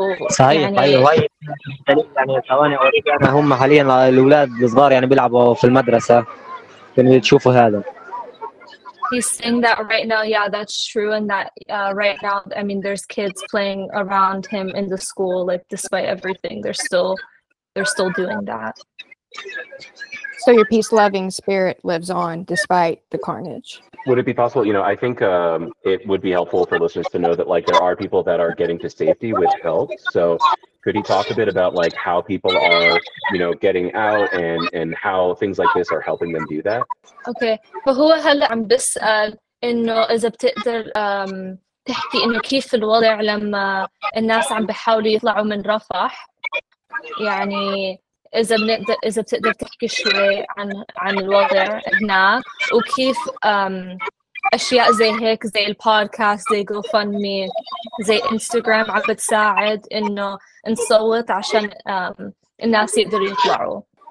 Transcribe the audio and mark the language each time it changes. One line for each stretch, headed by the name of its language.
Arabic: صحيح يعني ثواني أوريك أنا هم حاليا الأولاد الصغار يعني بيلعبوا في المدرسة كانوا تشوفوا هذا.
English: He's saying that right now, yeah, that's true, and that right now, I mean, there's kids playing around him in the school, like, despite everything, they're still doing that. So your peace-loving spirit lives on, despite the carnage. Would it be possible, you know, I think it would be helpful for listeners to know that, like, there are people that are getting to safety, which helps, so could he talk a bit about, like, how people are, you know, getting out and how things like this are helping them do that? Okay.
Arabic: فهو هلا عم بسأل إنه إذا بتقدر تحكي إنه كيف الوضع لما الناس عم بحاولوا يطلعوا من رفح يعني إذا بنقدر إذا بتقدر تحكي شوي عن الوضع هناك وكيف أشياء زي هيك زي البودكاست زي GoFundMe زي إنستغرام عم بتساعد إنه نصوت عشان الناس يقدروا يطلعوا.